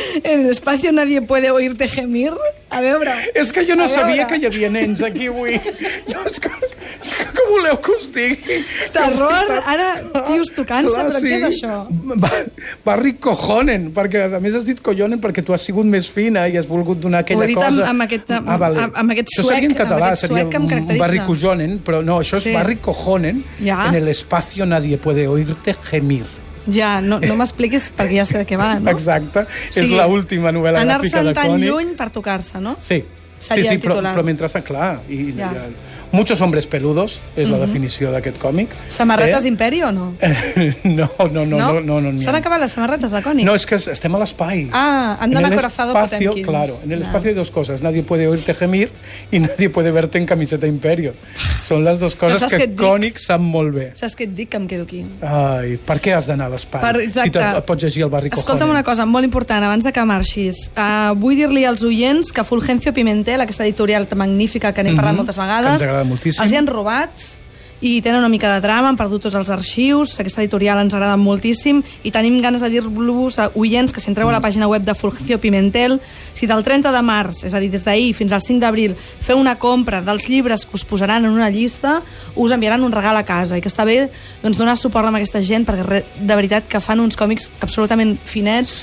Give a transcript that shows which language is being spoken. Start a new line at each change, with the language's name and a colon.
Spanish: En l'espacio nadie puede oírte gemir.
Catalan: A veure. És que jo no sabia que hi havia nens aquí avui. És que com voleu que us digui? Terror. Ara, tios, tocant-se, però sí. Què és això? Barri Koyonen, perquè a més has dit Koyonen perquè tu has sigut més fina i has volgut donar aquella cosa. Ho he dit cosa... amb aquest suec. Això seria en català, seria Barri Koyonen, però no, això és sí. Barri Koyonen. Ja.
Spanish: En el espacio nadie puede oírte gemir.
Catalan: Ja, no m'expliquis perquè ja sé de què va, no? Exacte, o sigui, és la última novel·la gràfica de Koenig. Anar-se'n tan lluny per tocar-se, no? Sí, seria sí, però mentre està clar. I, ja. I,
Spanish: muchos hombres peludos
Catalan: és la definició d'aquest còmic. Samarretes d'imperi o no? No. S'han acabat les samarretes de Koenig? No, és que estem a l'espai. Ah, han d'anar corazado potemquins.
Spanish: Claro, en el espacio hay dos cosas. Nadie puede oírte gemir y nadie puede verte en camiseta imperio.
Catalan: Són les dues coses que Koenig sap molt bé. Saps què et dic? Que em quedo aquí. Ai, per què has d'anar a l'espai? Exacte. Si et pots llegir al barri Koenig. Escolta'm una cosa molt important, abans de que marxis. Vull dir-li als oients que Fulgencio Pimentel, aquesta editorial magnífica que n'hem parlat moltes vegades, que ens agrada moltíssim. Els hi han robat i tenen una mica de drama, han perdut tots els arxius, aquesta editorial ens agrada moltíssim i tenim ganes de dir-vos a oients que si entreu a la pàgina web de Fulgencio Pimentel, si del 30 de març, és a dir, des d'ahir fins al 5 d'abril, feu una compra dels llibres que us posaran en una llista, us enviaran un regal a casa i que està bé doncs, donar suport a aquesta gent perquè de veritat que fan uns còmics absolutament finets,